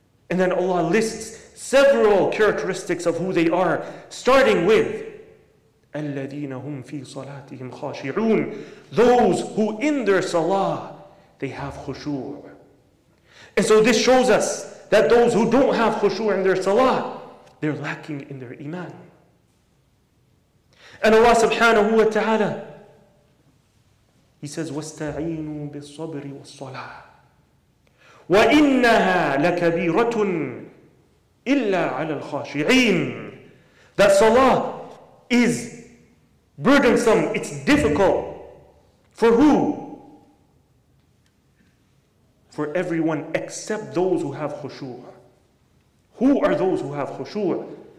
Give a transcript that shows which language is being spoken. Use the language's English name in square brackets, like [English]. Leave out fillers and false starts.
[English] And then Allah lists several characteristics of who they are, starting with [Arabic] الَّذِينَ هُمْ فِي صَلَاتِهِمْ خَاشِعُونَ. [English] Those who in their salah, they have khushu'. And so this shows us that those who don't have khushu' in their salah, they're lacking in their iman. And Allah subhanahu wa ta'ala, He says, [Arabic] وَاسْتَعِينُوا بِالصَّبْرِ وَالصَّلَاةِ وَإِنَّهَا لَكَبِيرَةٌ إِلَّا عَلَى الْخَاشِعِينَ. [English] That salah is burdensome, it's difficult. For who? For everyone except those who have khushu'. Who are those who have khushu'?